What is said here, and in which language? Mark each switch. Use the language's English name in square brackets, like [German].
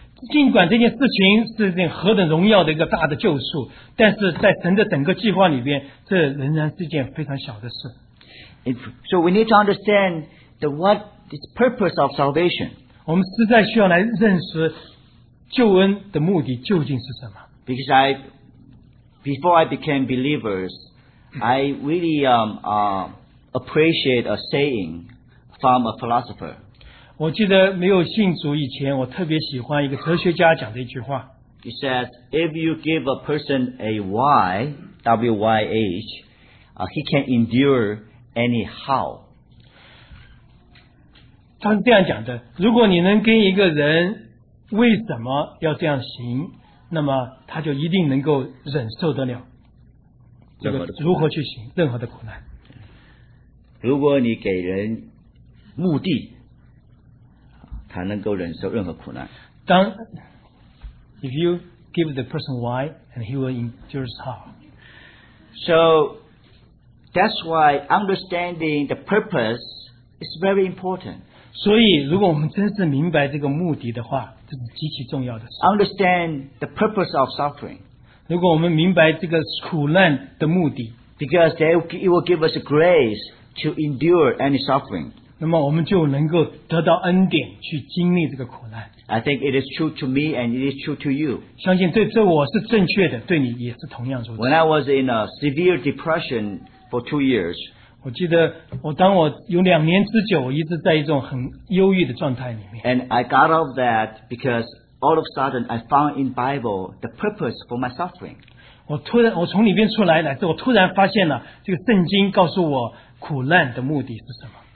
[Chinese] 尽管这件事情是一件何等荣耀的一个大的救赎，但是在神的整个计划里边，这仍然是一件非常小的事。 [English] So we need to understand what the purpose of salvation. [Chinese] 我们实在需要来认识救恩的目的究竟是什么。 [English] Because before I became believers,I really appreciate a saying from a philosopher. [Chinese] 我记得没有信主以前，我特别喜欢一个哲学家讲的一句话。 [English] He said, "If you give a person a why, W-Y-H, he can endure anyhow." [Chinese] 他是这样讲的：如果你能跟一个人为什么要这样行，那么他就一定能够忍受得了。这个如何去行任何的苦难？如果你给人目的，他能够忍受任何苦难。当 [English] if you give the person why and he will endure how. So that's why understanding the purpose is very important. [Chinese] 所以如果我们真是明白这个目的的话，这是极其重要的事。 [English] Understand the purpose of suffering. [Chinese] 如果我们明白这个苦难的目的 [English] because it will give us grace to endure any suffering. [Chinese] 那么我们就能够得到恩典去经历这个苦难。 [English] I think it is true to me and it is true to you. [Chinese] 相信这我是正确的，对你也是同样如此。 [English] When I was in a severe depression for 2 years, [Chinese] 我记得我当我有两年之久，我一直在一种很忧郁的状态里面。 [English] And I got out of that because all of a sudden I found in Bible the purpose for my suffering. [Chinese] 我从里面出来了，我突然发现了这个圣经告诉我苦难的目的是什么。